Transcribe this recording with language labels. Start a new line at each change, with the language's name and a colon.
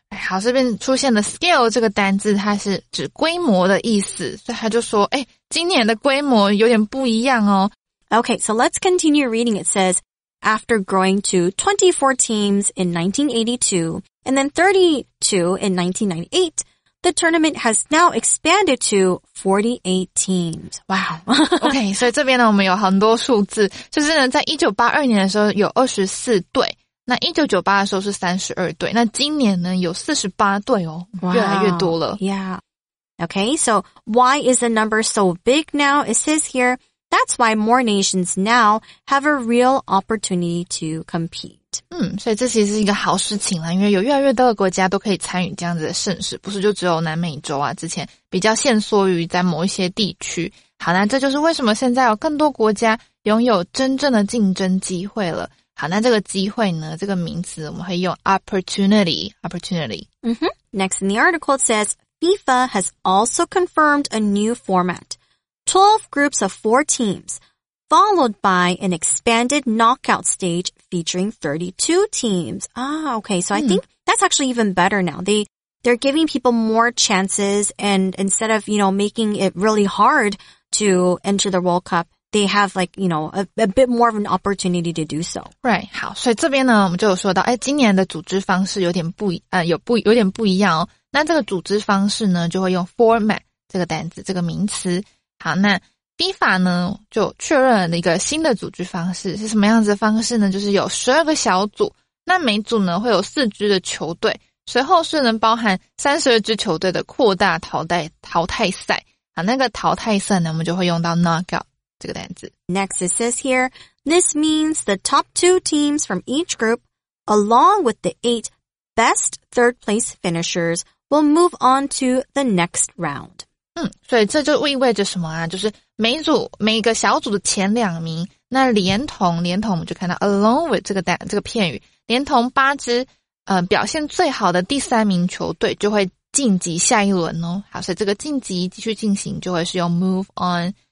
Chinese: 好，这边出现的 scale 这个单字，它是指规模的意思，所以他就说，哎，今年的规模有点不一样哦。
English: Okay, so let's continue reading. It says, after growing to 24 teams in 1982 and then 32 in 1998, the tournament has now expanded to 48 teams. Wow.
Chinese: Okay, 所以这边呢，我们有很多数字，就是呢，在1982年的时候有24队。那1998的时候是32队，那今年呢有48队哦，
English: wow,
Chinese: 越来越多了。
English: Yeah. Okay, so why is the number so big now? It says here, that's why more nations now have a real opportunity to compete.
Chinese: 所以这其实是一个好事情啦，因为有越来越多的国家都可以参与这样子的盛事，不是就只有南美洲啊，之前比较限缩于在某一些地区。好，那这就是为什么现在有更多国家拥有真正的竞争机会了。好，那这个机会呢，这个名词我们会用 opportunity.
English: Mm-hmm. Next in the article it says, FIFA has also confirmed a new format. 12 groups of 4 teams, followed by an expanded knockout stage featuring 32 teams. Ah, okay, so I think that's actually even better now. They they're giving people more chances, and instead of, you know, making it really hard to enter the World Cup, they have like, you know, a bit more of an opportunity to do so. Right.
Chinese: 好，所以这边呢，我们就有说到，哎，今年的组织方式有点不一，有点不一样哦。那这个组织方式呢，就会用 format 这个单字，这个名词。好，那 FIFA 呢，就确认了一个新的组织方式，是什么样子的方式呢？就是有12个小组，那每组呢，会有4支的球队，随后是能包含32支球队的扩大淘汰赛。好，那个淘汰赛呢，我们就会用到 knockout。这个单字。
English: Next, it says here, this means the top two teams from each group, along with the 8 best third place finishers, will move on to the next round.
Chinese: 所以这就意味着什么啊？就是每个小组的前两名，那连同我们就看到
English: along with
Chinese: 这个片语，连同八支表现最好的第三名球队就会晋级下一轮哦。好，所以这个晋级继续进行就会是用 move on。